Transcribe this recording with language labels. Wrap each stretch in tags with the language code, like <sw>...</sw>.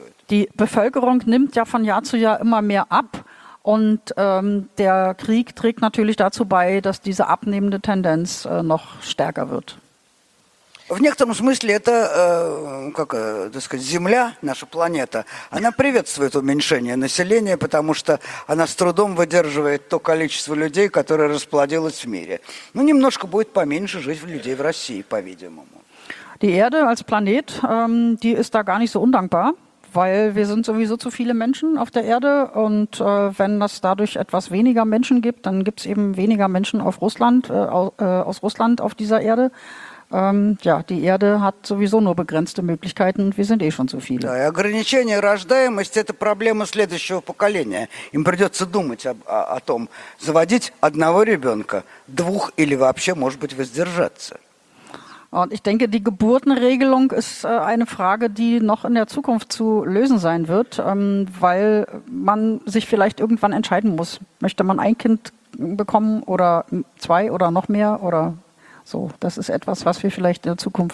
<de>Die Bevölkerung nimmt ja von Jahr zu Jahr immer mehr ab und der Krieg trägt natürlich dazu bei, dass diese abnehmende Tendenz noch stärker wird.</de> <ru>В некотором смысле это, как так сказать, Земля, наша планета, она приветствует уменьшение населения, потому что она с трудом выдерживает то количество людей, которое расплодилось в мире. Ну, немножко будет поменьше жить людей в России, по-видимому.</ru> <de>Die Erde als Planet, die ist da gar nicht so undankbar, weil wir sind sowieso zu viele Menschen auf der Erde und wenn es dadurch etwas weniger Menschen gibt, dann gibt es eben weniger Menschen auf Russland, aus Russland auf dieser Erde. Ja, die Erde hat sowieso nur begrenzte Möglichkeiten, wir sind eh schon zu viele.</de> <ru>Ja, ограничение рождаемости – это проблема следующего поколения. Им придется думать о том, заводить одного ребенка, двух или вообще, может быть, воздержаться.</ru> <de>Und ich denke, die Geburtenregelung ist eine Frage, die noch in der Zukunft zu lösen sein wird, weil man sich vielleicht irgendwann entscheiden muss. Möchte man ein Kind bekommen oder zwei oder noch mehr oder so? Das ist etwas, was wir vielleicht in der Zukunft</de>